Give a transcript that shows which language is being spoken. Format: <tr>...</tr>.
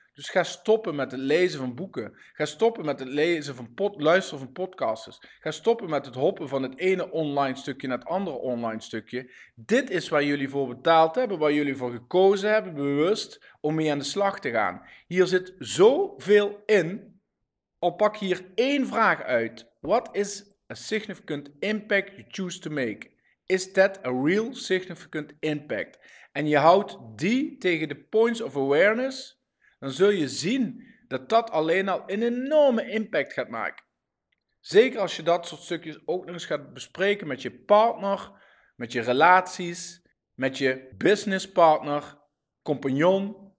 <nl>Dus ga stoppen met het lezen van boeken. Ga stoppen met het lezen van luisteren van podcasts. Ga stoppen met het hoppen van het ene online stukje naar het andere online stukje. Dit is waar jullie voor betaald hebben, waar jullie voor gekozen hebben, bewust, om mee aan de slag te gaan. Hier zit zoveel in. Al pak hier 1 vraag uit. Wat is</nl> <en>a significant impact you choose to make. Is that a real significant impact?</en> <nl>En je houdt die tegen de points of awareness, dan zul je zien dat dat alleen al een enorme impact gaat maken. Zeker als je dat soort stukjes ook nog eens gaat bespreken met je partner, met je relaties, met je business partner, compagnon.</nl>